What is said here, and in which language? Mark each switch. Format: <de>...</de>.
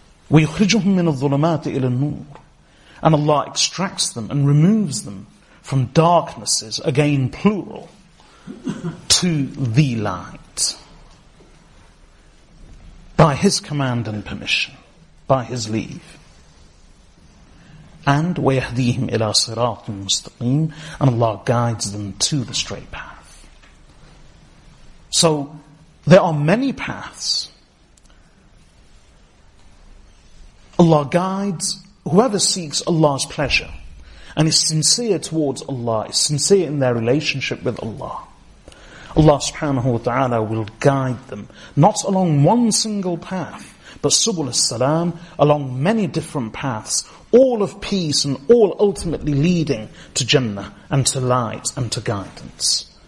<ar>وَيُخْرِجُهُمْ مِنَ الظُّلُمَاتِ إِلَى النُّورِ.</ar> <en>And Allah extracts them and removes them from darknesses, again plural, to the light. By His command and permission, by His leave. And</en> <ar>وَيَهْدِيهِمْ إِلَىٰ صِرَاطٍ مُسْتَقِيمٍ.</ar> <en>And Allah guides them to the straight path. So, there are many paths. Allah guides whoever seeks Allah's pleasure and is sincere towards Allah, is sincere in their relationship with Allah, Allah subhanahu wa ta'ala will guide them, not along one single path, but subul as-salam, along many different paths, all of peace and all ultimately leading to Jannah and to light and to guidance.</en>